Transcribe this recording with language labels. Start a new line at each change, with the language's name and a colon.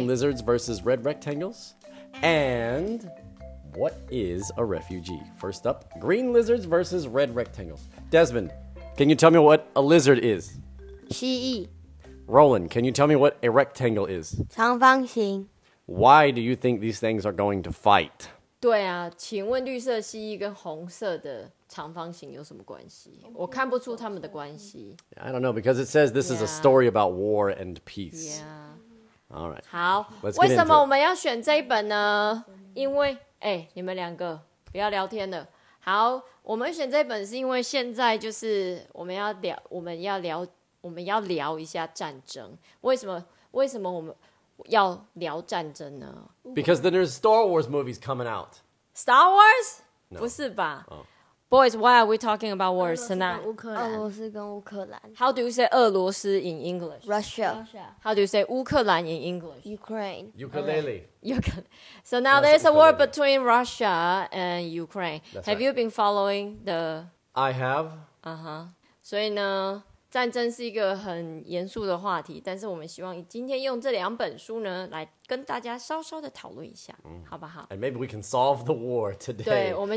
English: Green Lizards versus Red Rectangles. And What is a Refugee? First up, Green Lizards versus Red Rectangles. Desmond, can you tell me what a lizard is?
Chinese: 蜥蜴.
English: Roland, can you tell me what a rectangle is?
Chinese: 长方形.
English: Why do you think these things are going to fight?
Chinese: 对啊, 请问绿色蜥蜴跟红色的长方形有什么关系? 我看不出他们的关系。
English: I don't know, because it says this is a story about war and peace. Yeah. All right.
Chinese: 好, 为什么我们要选这一本呢?因为, 诶, 你们两个, 不要聊天了。好, 我们选这本是因为现在就是我们要聊一下战争。为什么我们要聊战争呢?
English: Because then there's Star Wars movies coming out. Star Wars? No.
Chinese: 不是吧?Oh.
English: Boys, why are we talking about wars tonight?
Chinese: 俄罗斯跟乌克兰。
English: How do you say 俄罗斯 in English? Russia. How do you say 乌克兰 in English? Ukraine. Ukulele. Okay. So now there's ukulele. A war between Russia and Ukraine. That's have right. you been following the... I have.
Chinese: Uh-huh. 所以呢... 战争是一个很严肃的话题，但是我们希望今天用这两本书呢，来跟大家稍稍的讨论一下，好不好？
English: And maybe we can solve the war today.